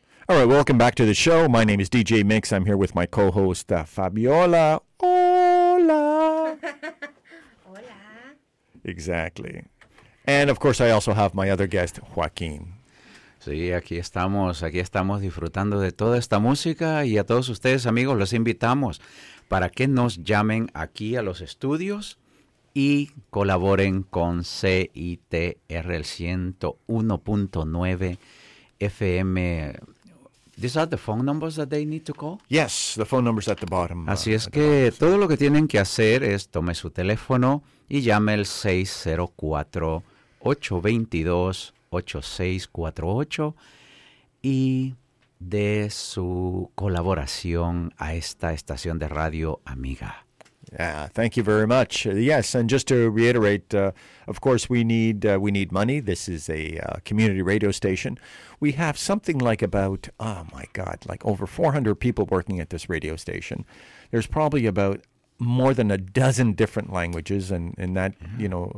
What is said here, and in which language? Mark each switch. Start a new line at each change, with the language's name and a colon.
English: All right, welcome back to the show. My name is DJ Mix. I'm here with my co-host, Fabiola.
Spanish: Hola. Hola.
English: Exactly. And of course, I also have my other guest, Joaquin.
Spanish: Sí, aquí estamos disfrutando de toda esta música y a todos ustedes, amigos, los invitamos para que nos llamen aquí a los estudios y colaboren con CITR 101.9 FM.
English: These are the phone numbers that they need to call? Yes, the phone numbers at the bottom.
Spanish: Así es que todo lo que tienen que hacer es tome su teléfono y llame el 604 822-8648 y de su colaboración a esta estación de radio amiga.
English: Yeah, thank you very much. Yes, and just to reiterate, of course, we need money. This is a community radio station. We have something like about, oh my God, like over 400 people working at this radio station. There's probably about more than a dozen different languages, and that, you know,